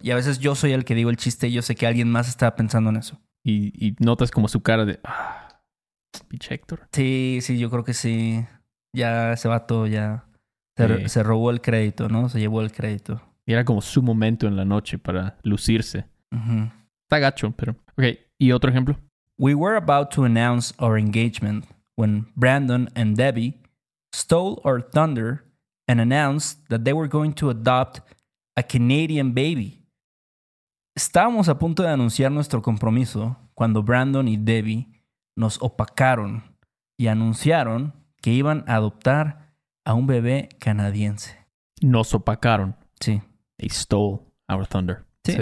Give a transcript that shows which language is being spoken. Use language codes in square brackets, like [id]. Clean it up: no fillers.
[es] Y a veces yo soy el que digo el chiste y yo sé que alguien más estaba pensando en eso. Y notas como su cara de... ¡Ah! ¡Pinche Héctor! Sí, yo creo que sí. Ya ese vato ya... Se robó el crédito, ¿no? Se llevó el crédito. Y era como su momento en la noche para lucirse. Uh-huh. Está gacho, pero... Ok. ¿Y otro ejemplo? [en] We were about to announce our engagement when Brandon and Debbie stole our thunder and announced that they were going to adopt a Canadian baby. [es] Estábamos a punto de anunciar nuestro compromiso cuando Brandon y Debbie nos opacaron y anunciaron que iban a adoptar a un bebé canadiense. Nos opacaron. Sí. [en] They stole our thunder. [es] Sí, sí.